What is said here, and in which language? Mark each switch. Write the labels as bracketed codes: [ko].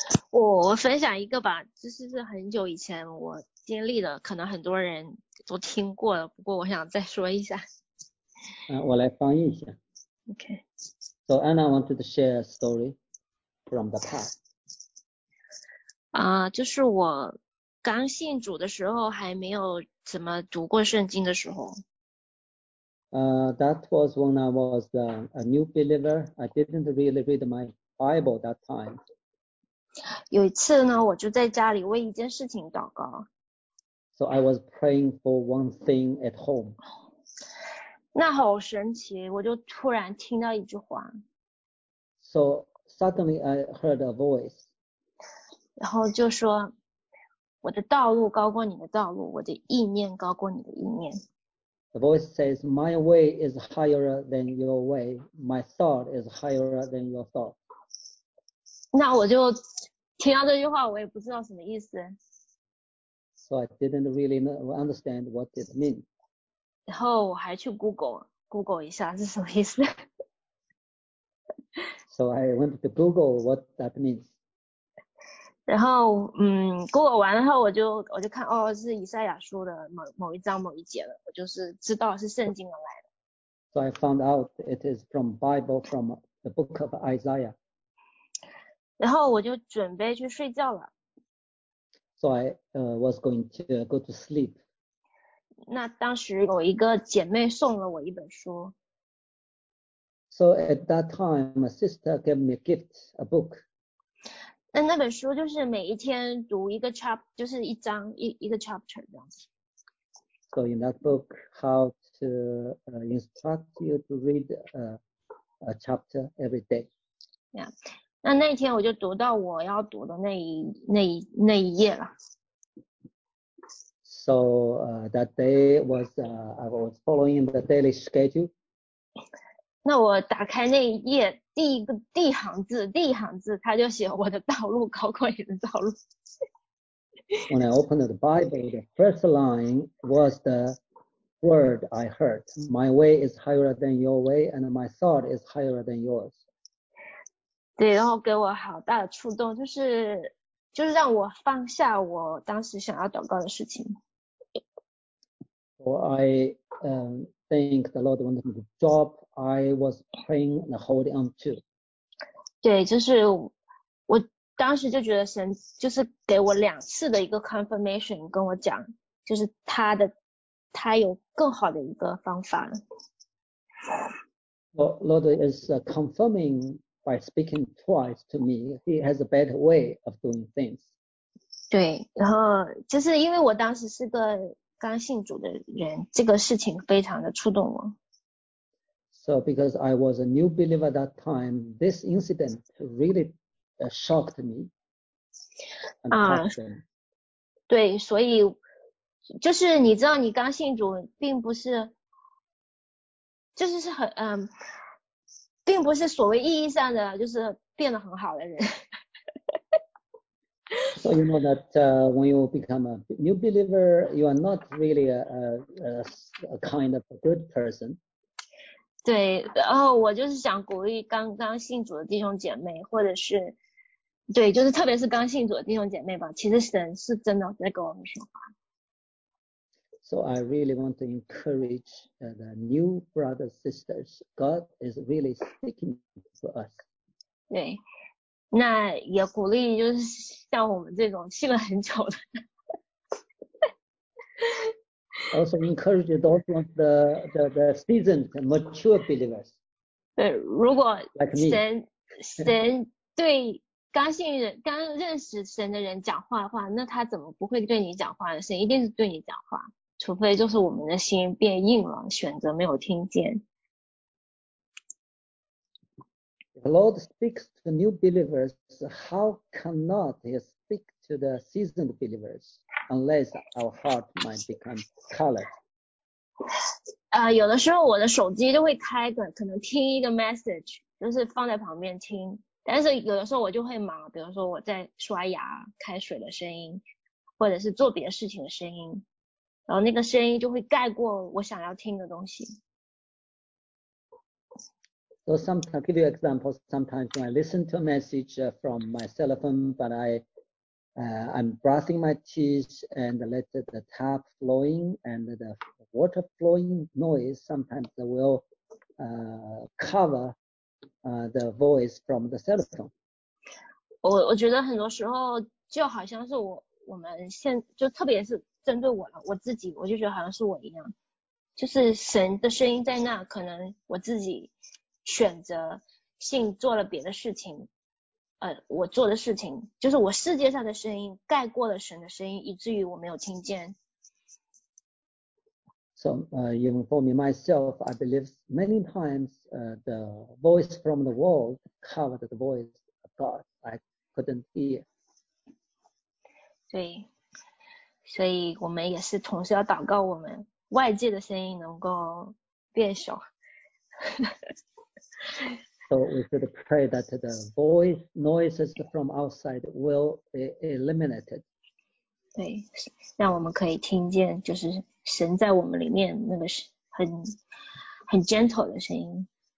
[zh] 我分享一个吧，就是很久以前我经历的，可能很多人都听过了，不过我想再说一下。我来翻译一下。 [en] Okay. So Anna wanted to share a story from the past. [zh] 就是我刚信主的时候，还没有怎么读过圣经的时候。 [en] That was when I was a new believer. I didn't really read my Bible that time. [zh] 有一次呢，我就在家里为一件事情祷告。 [en] So I was praying for one thing at home. [zh] 那好神奇，我就突然听到一句话。 [en] So suddenly I heard a voice. [zh] 然后就说，我的道路高过你的道路，我的意念高过你的意念。 [en] The voice says, my way is higher than your way, my thought is higher than your thought. [zh] 那我就听到这句话，我也不知道什么意思。 [en] So I didn't really know, understand what it means. [zh] 然后我还去 Google 一下是什么意思。 [en] So I went to Google what that means. [zh] 然后Google 完了后我就看，哦，是以赛亚书的某一章某一节了，我就是知道是圣经而来的。 [en] So I found out it is from Bible, from the book of Isaiah. [zh] 然后我就准备去睡觉了。 [en] So I was going to go to sleep. [zh] 那当时有一个姐妹送了我一本书。 [en] So at that time, my sister gave me a gift, a book. [zh] 那本书就是每一天读一个 chapter, 就是一章 一个 chapter 这样子。 [en] So in that book, how to instruct you to read a chapter every day. Yeah. [zh] 那天我就读到我要读的那一页了。 [en] So that day was I was following the daily schedule. [zh] 那我打开那一页，第一行字，他就写我的道路高过你的道路。 [en] When I opened the Bible, the first line was the word I heard. My way is higher than your way, and my thought is higher than yours. [zh] 对，然后给我好大的触动，就是让我放下我当时想要祷告的事情。 [en] So I think the Lord wanted me to drop. I was praying and holding on to. [zh] 对，就是我当时就觉得神就是给我两次的一个 confirmation， 跟我讲，就是他有更好的一个方法。 [en] Well, Lord is confirming. By speaking twice to me, he has a better way of doing things. [zh] 对，然后就是因为我当时是个刚信主的人，这个事情非常的触动我。 [en] So because I was a new believer at that time, this incident really shocked me. [zh] 啊，对，所以就是你知道，你刚信主，并不是，就是很并不是所谓意义上的就是变得很好的人。 [en] So you know that when you become a new believer, you are not really a kind of a good person. [zh] 对，然后我就是想鼓励刚刚信主的弟兄姐妹，或者是。对，就是特别是刚信主的弟兄姐妹吧，其实神是真的在跟我们说话。 [en] So I really want to encourage the new brothers and sisters. God is really speaking to us. [zh] 对，那也鼓励就是像我们这种信了很久的。 [en] Also encourage those of the seasoned mature believers. [zh] 对，如果神、like、神对。刚信任刚认识神的人讲话的话，那他怎么不会对你讲话呢？神一定是对你讲话，除非就是我们的心变硬了，选择没有听见。 [en] The Lord speaks to new believers. How cannot He speak to the seasoned believers unless our heart might become colored? [zh] 有的时候我的手机都会开着，可能听一个 message， 就是放在旁边听。但是有的时候我就会忙，比如说我在刷牙开水的声音，或者是做别的事情的声音，然后那个声音就会盖过我想要听的东西。 [en] So sometimes, I'll give you examples. Sometimes when I listen to a message from my cell phone, but I'm brushing my teeth and let the tap flowing and the water flowing noise sometimes will cover. The voice from the cell phone. [zh] 我觉得很多时候就好像是我们现就特别是针对我了我自己，我就觉得好像是我一样，就是神的声音在那，可能我自己选择性做了别的事情，我做的事情就是我世界上的声音盖过了神的声音，以至于我没有听见。 [en] So even for me myself, I believe many times the voice from the world covered the voice of God. I couldn't hear. [zh] 对，所以我们也是同时要祷告，我们外界的声音能够变小。 [en] So we should pray that the voice noises from outside will be eliminated. [zh] 对，让我们可以听见，就是神在我们里面那个很 gentle 的声音。